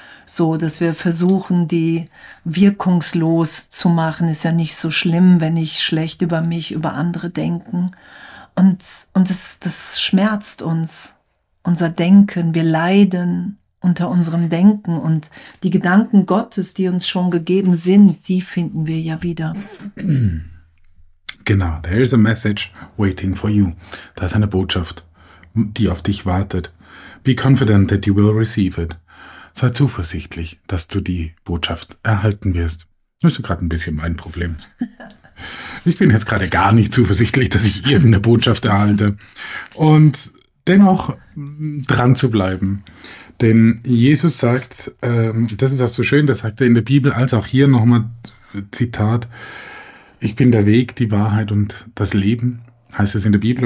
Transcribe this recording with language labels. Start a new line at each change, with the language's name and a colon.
German: So, dass wir versuchen, die wirkungslos zu machen, ist ja nicht so schlimm, wenn ich schlecht über mich, über andere denken. Und das schmerzt uns, unser Denken. Wir leiden unter unserem Denken. Und die Gedanken Gottes, die uns schon gegeben sind, die finden wir ja wieder.
English: Genau, there is a message waiting for you.
German: Da ist eine Botschaft, die auf dich wartet.
English: Be confident that you will receive it.
German: Sei zuversichtlich, dass du die Botschaft erhalten wirst. Das ist gerade ein bisschen mein Problem. Ich bin jetzt gerade gar nicht zuversichtlich, dass ich irgendeine Botschaft erhalte. Und dennoch dran zu bleiben. Denn Jesus sagt, das ist auch so schön, das sagt er in der Bibel, als auch hier nochmal Zitat, ich bin der Weg, die Wahrheit und das Leben, heißt es in der Bibel.